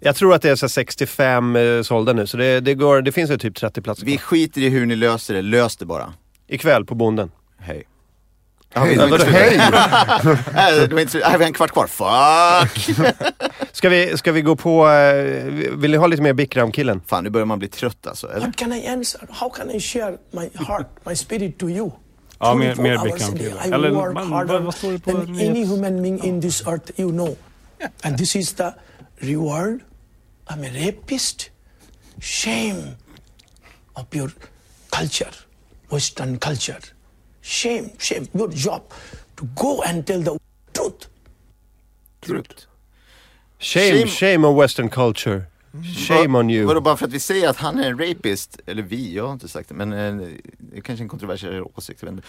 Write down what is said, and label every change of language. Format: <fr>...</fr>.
<sv>Jag tror att det är så 65 sålda nu. Så det finns ju typ 30 platser. Vi skiter i hur ni löser det. Lös det bara. Ikväll på Bonden. Hej. Hej. Nej, vi har en kvart kvar. Fuck. ska vi gå på, vill ni ha lite mer Bikram killen? Fan, nu börjar man bli trött alltså.</sv> <en>How can I answer? How can I share my heart, my spirit to you?</en> <sv>Ja, mer Bikram killen. Eller vad står det på?</sv> <en>Any human being in this earth, you know. And this is the reward. I'm a rapist. Shame of your culture. Western culture. Shame, your job to go and tell the truth. Shame on Western culture. Shame on you.</en> <sv>Vadå, bara för att vi säger att han är en rapist, eller vi, jag har inte sagt det, men det är kanske en kontroversiell åsikt.</sv>